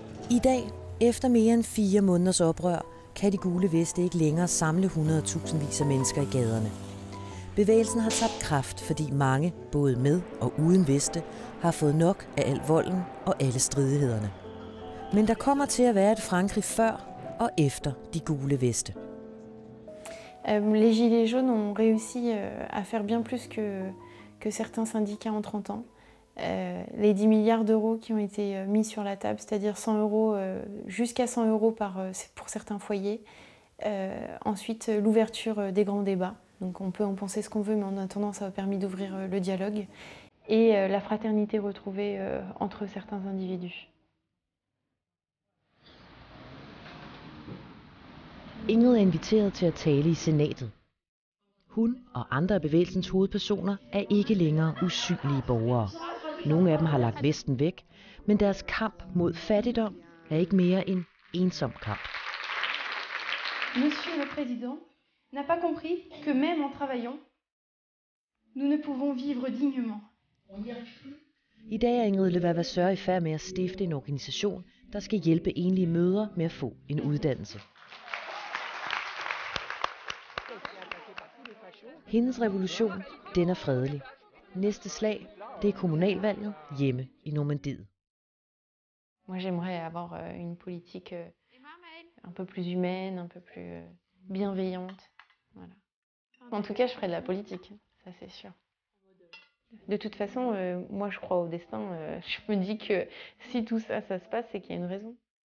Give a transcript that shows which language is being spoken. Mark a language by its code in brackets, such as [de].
[da] I dag, efter mere end 4 måneders oprør, kan de gule veste ikke længere samle 100.000 vis af mennesker i gaderne. Bevægelsen har tabt kraft, fordi mange, både med og uden veste, har fået nok af al volden og alle stridighederne. Men der kommer til at være et Frankrig før og efter de gule veste. [fr] Les gilets jaunes ont réussi à faire bien plus que certains syndicats en 30 ans. Les 10 milliards d'euros qui ont été mis sur la table, c'est-à-dire 100 euros, jusqu'à 100 euros pour certains foyers. Ensuite, l'ouverture des grands débats. Donc on peut en penser ce qu'on veut, mais en attendant, ça a permis d'ouvrir le dialogue. Et la fraternité retrouvée entre certains individus. [da] Ingrid er inviteret til at tale i senatet. Hun og andre af bevægelsens hovedpersoner er ikke længere usynlige borgere. Nogle af dem har lagt vesten væk, men deres kamp mod fattigdom er ikke mere en ensom kamp. [fr] Monsieur le Président n'a pas compris que même en travaillant, nous ne pouvons vivre dignement. [da] I dag er Ingrid Levavasseur i færd med at stifte en organisation, der skal hjælpe enlige mødre med at få en uddannelse. Hendes revolution, den er fredelig. Næste slag, det er kommunalvalget hjemme i Normandiet. [fr] Moi j'aimerais avoir une politique un peu plus humaine, un peu plus bienveillante. Voilà. En tout cas, je ferai de la politique, ça c'est sûr. De toute façon, moi je crois au destin, je me dis que si tout ça se passe, c'est qu'il y a une raison.